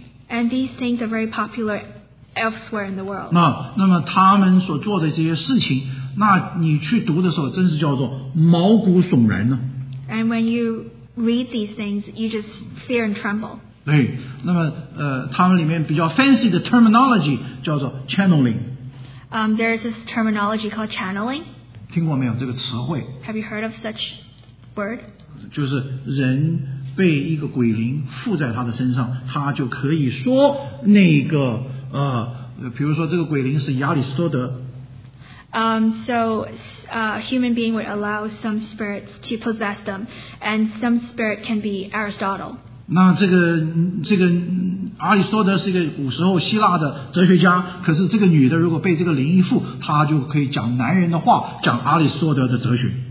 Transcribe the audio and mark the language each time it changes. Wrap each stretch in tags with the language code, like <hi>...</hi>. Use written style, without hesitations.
<en>And these things are very popular elsewhere in the world.</en> <zh>那么他们所做的这些事情, 那你去读的时候真是叫做毛骨悚然呢。</zh> <en>And when you read these things, you just fear and tremble.</en> <zh>对, 那么他们里面比较fancy的 terminology叫做channeling。</zh> <en>There's this terminology called channeling.</en> <zh>听过没有这个词汇?</zh> <en>Have you heard of such word?</en> <zh>就是人被一个鬼灵附在他的身上, 他就可以说那个, 比如说这个鬼灵是亚里斯多德。</zh> <en>So a human being would allow some spirits to possess them, and some spirit can be Aristotle.</en> <zh>那这个阿里斯多德是一个古时候希腊的哲学家，可是这个女的如果被这个灵依附，她就可以讲男人的话，讲阿里斯多德的哲学。</zh>